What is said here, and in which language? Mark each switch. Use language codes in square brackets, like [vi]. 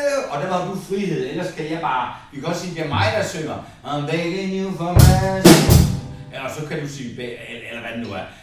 [da] Og der var du frihed, ellers kan jeg bare, vi kan også sige, det er mig, der synger. [en] I'm begging you for mercy. [da] Eller så kan du sige, eller hvad det nu er.